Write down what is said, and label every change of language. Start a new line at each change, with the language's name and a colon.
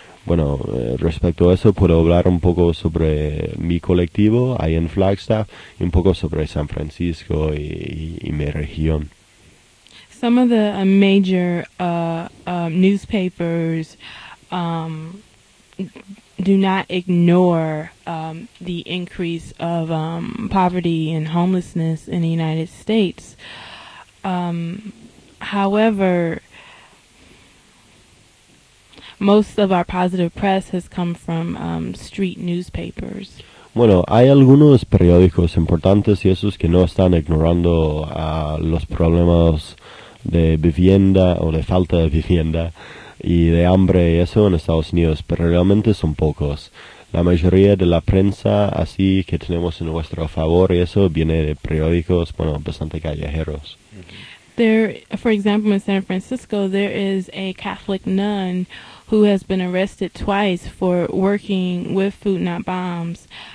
Spanish: Bueno, respecto a eso, puedo hablar un poco sobre mi colectivo ahí en Flagstaff y un poco sobre San Francisco y mi región.
English: Some of the major newspapers do not ignore the increase of poverty and homelessness in the United States. However, most of our positive press has come from street newspapers.
Spanish: Bueno, hay algunos periódicos importantes y esos que no están ignorando los problemas de vivienda o de falta de vivienda y de hambre y eso en Estados Unidos, pero realmente son pocos. La mayoría de la prensa así que tenemos en nuestro favor y eso viene de periódicos, bueno, bastante callejeros.
English: There, for example, in San Francisco, there is a Catholic nun who has been arrested twice for working with Food Not Bombs.